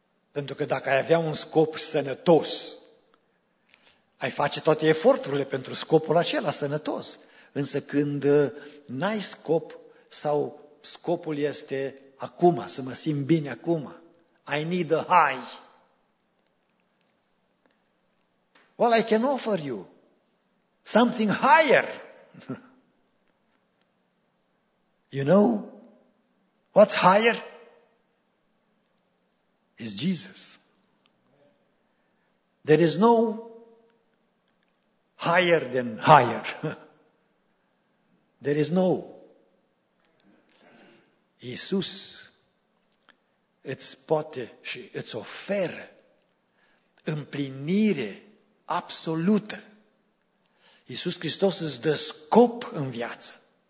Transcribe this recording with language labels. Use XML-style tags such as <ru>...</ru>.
<ro>Pentru că dacă ai avea un scop sănătos, ai face toate eforturile pentru scopul acela sănătos. Însă când n-ai scop sau scopul este acum, să mă simt bine acum,</ro> <en>I need a high. Well, I can offer you something higher. You know what's higher? Is Jesus. There is no higher than higher. There is no.</en> <ro>Iisus îți poate și îți oferă împlinire absolută. Iisus Hristos îți dă scop în viață.</ro>